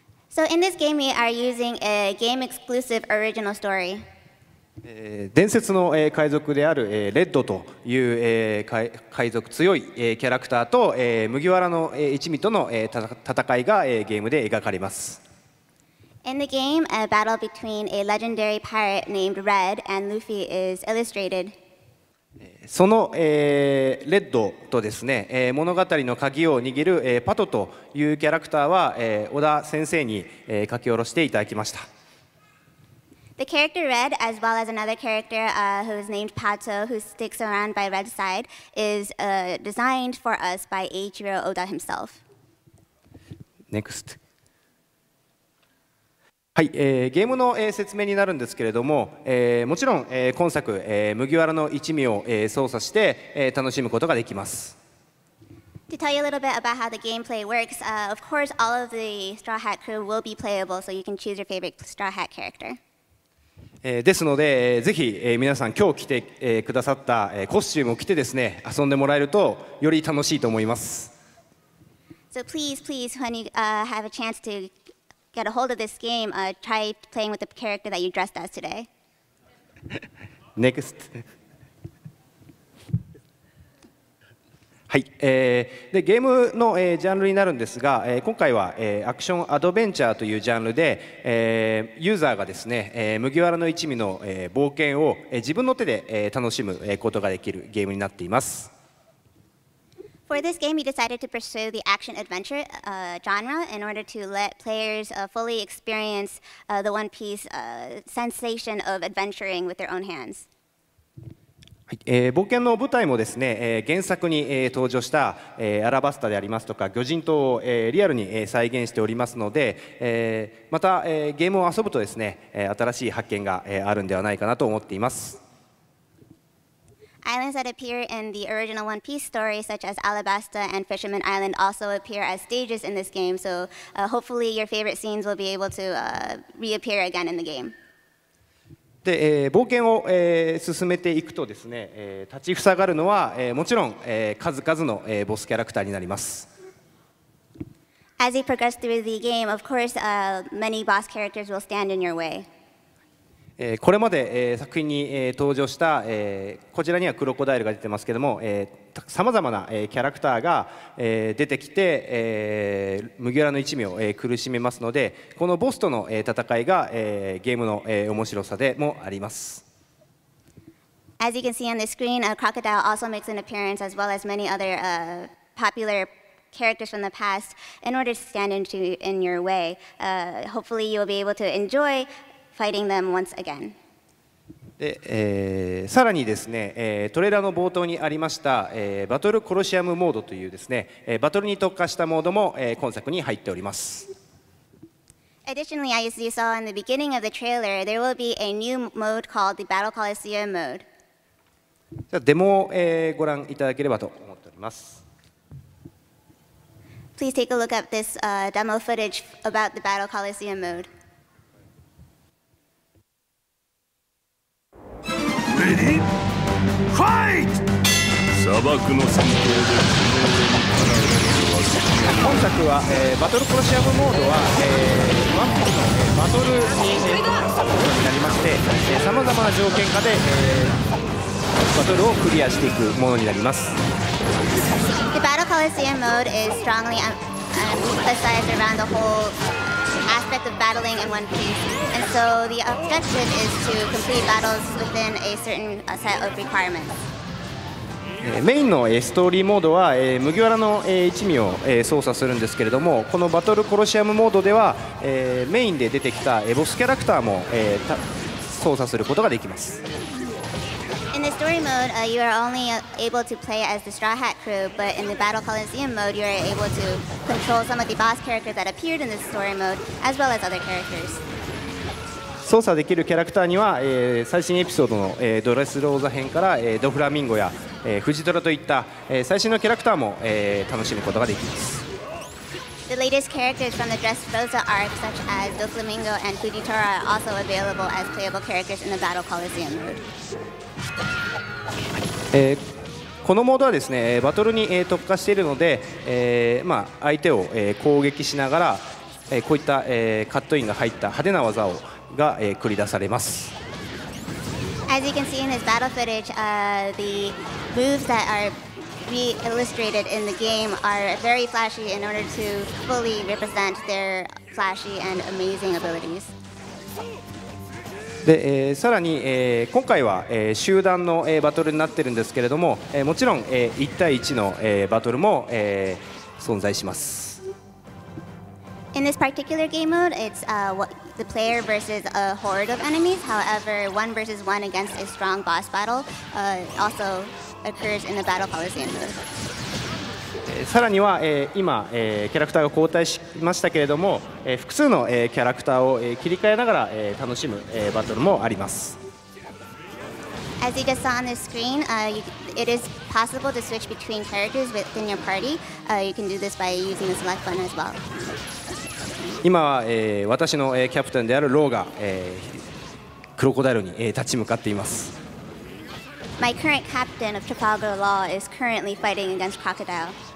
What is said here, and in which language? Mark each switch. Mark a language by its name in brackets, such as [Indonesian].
[English] So in this game we are using a game exclusive original story. [Japanese] 伝説の、海賊である、レッドという、海賊強い、キャラクターと、麦わらの、一味との、戦いが、ゲームで描かれます。 [English] In the game a battle between a legendary pirate named Red and Luffy is illustrated. [Japanese] その、レッドとですね、物語の鍵を握る、パトというキャラクターは、小田先生に、書き下ろしていただきました。 [English] The character Red, as well as another character, who is named Pato, who sticks around by Red's side, is, designed for us by Eiichiro Oda himself. Next. [Japanese] はい、ゲームの、説明になるんですけれども、もちろん、今作、麦わらの一味を、操作して、楽しむことができます。 [English] To tell you a little bit about how the gameplay works, of course all of the Straw Hat crew will be playable, so you can choose your favorite Straw Hat character. [Japanese] ですのでぜひ皆さん今日来てくださったコスチュームを着てですね遊んでもらえるとより楽しいと思います。 [English] So please, please, when you have a chance to get a hold of this game, try playing with the character that you dressed as today. Next. [Japanese] はい、でゲームの、ジャンルになるんですが、今回は、アクションアドベンチャーというジャンルで、ユーザーがですね、麦わらの一味の、冒険を、自分の手で、楽しむことができるゲームになっています。 [English] For this game, you decided to pursue the action adventure, genre in order to let players, fully experience, the One Piece, sensation of adventuring with their own hands. [Japanese] はい冒険の舞台もですね、原作に、登場した、アラバスタでありますとか魚人島を、リアルに、再現しておりますので、また、ゲームを遊ぶとですね、新しい発見が、あるんではないかなと思っています。 [English] Islands that appear in the original One Piece story, such as Alabasta and Fisherman Island, also appear as stages in this game. So, hopefully, your favorite scenes will be able to, reappear again in the game. [Japanese] で冒険を進めていくとですね立ちふさがるのはもちろん数々のボスキャラクターになります。 [English] As you progress through the game, of course, many boss characters will stand in your way. [Japanese] これまで作品に登場したこちらにはクロコダイルが出てますけれども、さまざまなキャラクターが出てきて麦わらの一味を苦しめますので、このボスとの戦いがゲームの面白さでもあります。 [English] As you can see on the screen, a crocodile also makes an appearance as well as many other popular characters from the past in order to stand in your way. Hopefully, you will be able to enjoy fighting them once again. [Japanese] でさらにですね、トレーラーの冒頭にありました、バトルコロシアムモードというですね、バトルに特化したモードも、今作に入っております。 [English] Additionally, as you saw in the beginning of the trailer, there will be a new mode called the Battle Coliseum mode. [Japanese] じゃあデモを、ご覧いただければと思っております。 [English] Please take a look at this, demo footage about the Battle Coliseum mode. Fight! [Japanese] 絡めるのは今作は、バトルコロシアムモードは、ワンピースの、バトルに参加になりまして、さまざまな条件下で、バトルをクリアしていくものになります。 [English] The Battle Coliseum mode is strongly emphasized around the whole aspect of battling in One Piece. And so the objective is to complete battles within a certain set of requirements. [Japanese] メインのストーリーモードは麦わらの一味を操作するんですけれども、このバトルコロシアムモードではメインで出てきたボスキャラクターも操作することができます。 [English] In the story mode, you are only able to play as the Straw Hat crew, but in the Battle Coliseum mode, you are able to control some of the boss characters that appeared in the story mode, as well as other characters. [Japanese] 操作できるキャラクターには、最新エピソードの、ドレスローザ編から、ドフラミンゴや、フジトラといった、最新のキャラクターも、楽しむことができます。 [English] The latest characters from the Dressrosa arc, such as Doflamingo and Fujitora, are also available as playable characters in the Battle Coliseum mode. [Japanese] このモードはですね、バトルに、特化しているので、相手を、攻撃しながら、こういった、カットインが入った派手な技をが、繰り出されます。 [English] As you can see in this battle footage, the moves that are re-illustrated in the game are very flashy in order to fully represent their flashy and amazing abilities. [Japanese] で、さらに、今回は、集団の、バトルになっているんですけれども、もちろん、1対1の、バトルも、存在します。 [English] In this particular game mode, it's the player versus a horde of enemies. However, one versus one against a strong boss battle also occurs in the Battle Coliseum mode. [Japanese] さらには、今、キャラクターが交代しましたけれども、複数の、キャラクターを、切り替えながら、楽しむ、バトルもあります。 [English] As you just saw on the screen, it is possible to switch between characters within your party. You can do this by using the select button as well. [Japanese] 今は、私の、キャプテンであるローが、クロコダイルに、立ち向かっています。 [English] My current captain of Trafalgar Law is currently fighting against Crocodile.